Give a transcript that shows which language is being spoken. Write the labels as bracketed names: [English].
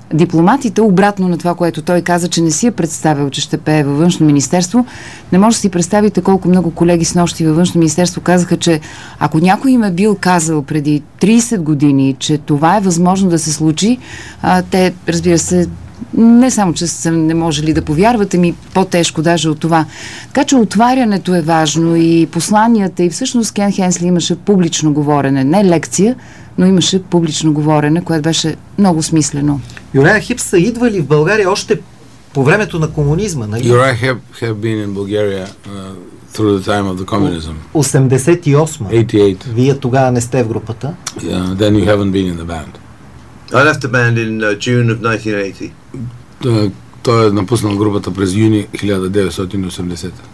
[Bulgarian] Дипломатите, обратно на това, което той каза, че не си е представил, че ще пее във външно министерство, не може да си представите колко много колеги снощи във външно министерство казаха, че ако някой им е бил казал преди 30 години, че това е възможно да се случи, те, разбира се, не само, че са не можели да повярват, ами по-тежко даже от това. Така че отварянето е важно и посланията, и всъщност Кен Хенсли имаше публично говорене, не лекция, но имаше публично говорене, което беше много смислено. Юрая Хип са идвали в България още по времето на комунизма, нали? [English] Юрая Хип have been in Bulgaria through the time of the communism. 88. 88. [Bulgarian] Вие тогава не сте в групата. [English] Yeah, then you haven't been in the band. I left the band in June of 1980. [Bulgarian] Той е напуснал групата през юни 1980.